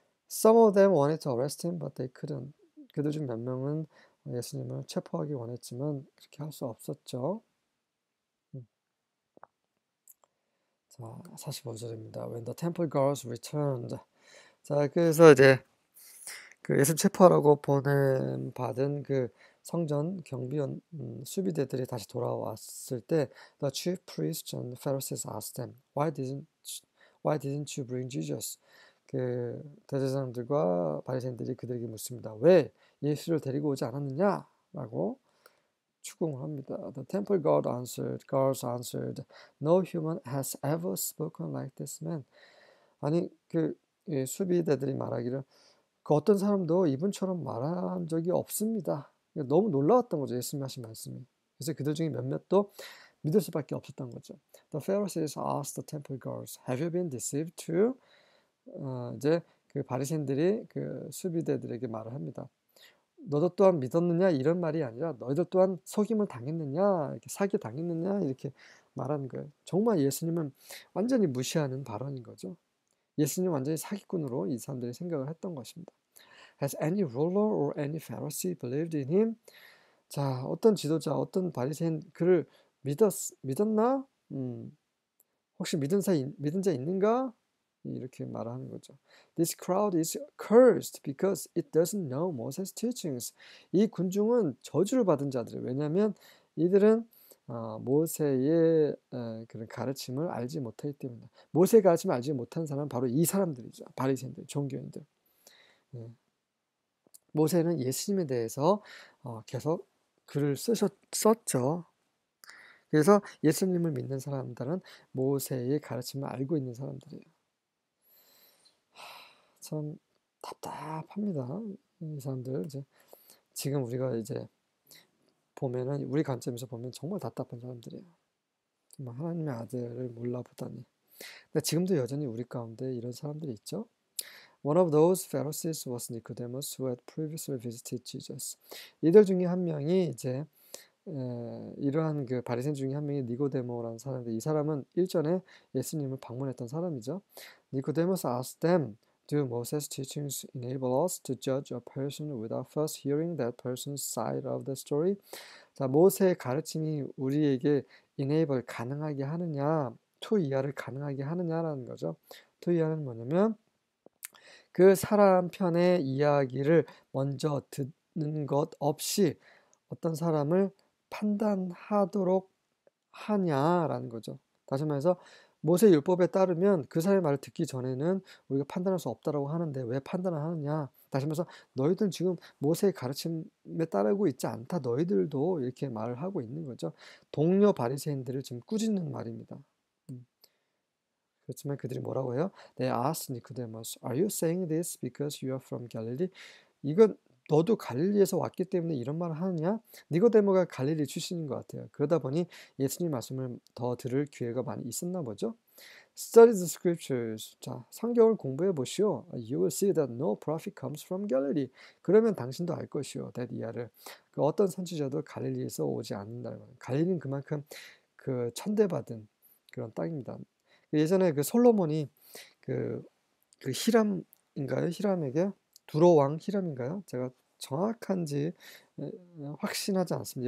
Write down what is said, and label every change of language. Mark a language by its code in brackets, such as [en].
[en] Some of them wanted to arrest him, but they couldn't. [ko] 그들 중몇 명은 예수님을 체포하기 원했지만 그렇게 할수 없었죠. 자, 45절입니다. [en] When the temple guards returned. [ko] 자, 그래서 이제 그 예수 체포하라고 보낸 받은 그 성전 경비원 수비대들이 다시 돌아왔을 때, [en] the chief priests and Pharisees asked them, why didn't you bring Jesus? [ko] 그 대제사장들과 바리새인들이 그들에게 묻습니다. 왜 예수를 데리고 오지 않았느냐라고 추궁을 합니다. [en] The temple guards answered, no human has ever spoken like this man. [ko] 아니 그 수비대들이 말하기를 그 어떤 사람도 이분처럼 말한 적이 없습니다. 너무 놀라웠던 거죠. 예수님 하신 말씀이. 그래서 그들 중에 몇몇도 믿을 수밖에 없었던 거죠. [en] The Pharisees asked the temple guards, have you been deceived too? [ko] 이제 그 바리새인들이 그 수비대들에게 말을 합니다. 너도 또한 믿었느냐? 이런 말이 아니라 너희들 또한 속임을 당했느냐? 이렇게 사기 당했느냐? 이렇게 말하는 거예요. 정말 예수님은 완전히 무시하는 발언인 거죠. 예수님 완전히 사기꾼으로 이 사람들이 생각을 했던 것입니다. [en] Has any ruler or any Pharisee believed in him? [ko] 자, 어떤 지도자, 어떤 바리새인 그를 믿었나? 혹시 믿은 자 있는가? 이렇게 말하는 거죠. [en] This crowd is cursed because it doesn't know Moses' teachings. [ko] 이 군중은 저주를 받은 자들이에요. 왜냐하면 이들은 모세의 그런 가르침을 알지 못하기 때문에, 모세의 가르침을 알지 못한 사람은 바로 이 사람들이죠. 바리새인들, 종교인들. 모세는 예수님에 대해서 계속 글을 썼죠. 그래서 예수님을 믿는 사람들은 모세의 가르침을 알고 있는 사람들이에요. 참 답답합니다. 이 사람들 이제 지금 우리가 이제 보면은 우리 관점에서 보면 정말 답답한 사람들이에요. 정말 하나님의 아들을 몰라 보다니. 근데 지금도 여전히 우리 가운데 이런 사람들이 있죠. [en] One of those Pharisees was Nicodemus, who had previously visited Jesus. [ko] 이들 중에 한 명이 이제 이러한 그 바리새인 중에 한 명이 니고데모라는 사람인데 이 사람은 일전에 예수님을 방문했던 사람이죠. [en] Nicodemus asked them, Do Moses' teachings enable us to judge a person without first hearing that person's side of the story? [ko] 자, 모세의 가르침이 우리에게 enable 가능하게 하느냐, to 이해를 가능하게 하느냐라는 거죠. to 이해는 뭐냐면 그 사람 편의 이야기를 먼저 듣는 것 없이 어떤 사람을 판단하도록 하냐라는 거죠. 다시 말해서 모세 율법에 따르면 그 사람의 말을 듣기 전에는 우리가 판단할 수 없다라고 하는데 왜 판단을 하느냐? 다시 말해서 너희들은 지금 모세의 가르침에 따르고 있지 않다. 너희들도 이렇게 말을 하고 있는 거죠. 동료 바리새인들을 지금 꾸짖는 말입니다. 그렇지만 그들이 뭐라고 해요? [en] They asked Nicodemus, Are you saying this because you are from Galilee? [ko] 이건 너도 갈릴리에서 왔기 때문에 이런 말을 하느냐? 니고데모가 갈릴리 출신인 것 같아요. 그러다 보니 예수님 말씀을 더 들을 기회가 많이 있었나 보죠. [en] Study the scriptures. [ko] 자, 성경을 공부해 보시오. [en] You will see that no prophet comes from Galilee. [ko] 그러면 당신도 알 것이오. That 이하를. 그 어떤 선지자도 갈릴리에서 오지 않는다는 거예요. 갈릴리는 그만큼 그 천대받은 그런 땅입니다. 예전에 그 솔로몬이 그 히람인가요? 히람에게? 두로왕 히람인가요? 제가 정확한지 확신하지 않습니다.